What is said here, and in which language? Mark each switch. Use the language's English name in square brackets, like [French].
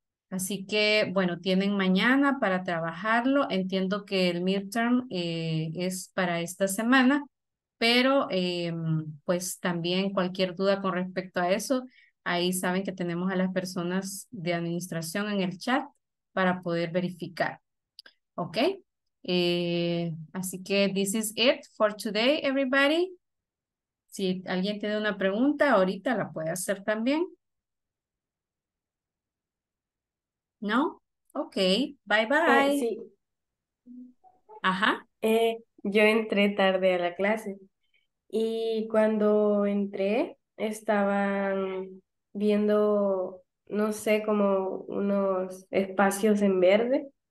[Spanish] Así que, bueno, tienen mañana para trabajarlo. Entiendo que el midterm es para esta semana, pero pues también cualquier duda con respecto a eso, ahí saben que tenemos a las personas de administración en el chat para poder verificar. ¿Ok? Así que [English] this is it for today, everybody. [Spanish] Si alguien tiene una pregunta, ahorita la puede hacer también. ¿No? Ok, bye bye. Sí. Ajá. Yo entré tarde a la clase y cuando entré estaban viendo, no sé, como unos espacios en verde.